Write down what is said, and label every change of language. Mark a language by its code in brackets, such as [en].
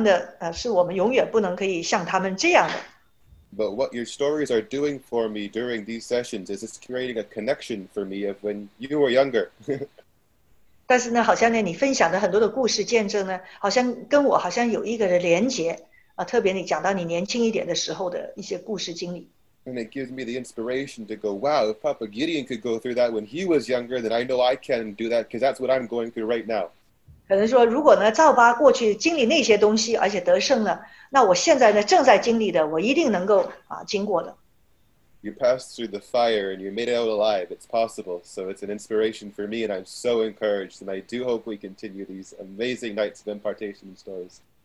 [zh] 这可以说呢，有时候呢，年轻人呢看见牧者呢，就觉得呢，他们的是我们永远不能可以像他们这样的。 [en] But what your stories are doing for me during these sessions is it's creating a connection for me of when you were younger. [zh] 但是呢，好像呢，你分享的很多的故事见证呢，好像跟我好像有一个的连结。特别你讲到你年轻一点的时候的一些故事经历。 [en] And it gives me the inspiration to go, wow, if Papa Gideon could go through that when he was younger, then I know I can do that because that's what I'm going through right now. [zh] 可能说如果呢，赵巴过去经历那些东西而且得胜了，那我现在呢正在经历的，我一定能够经过的。 [en] You passed through the fire and you made it out alive. It's possible. So it's an inspiration for me and I'm so encouraged. And I do hope we continue these amazing nights of impartation and stories.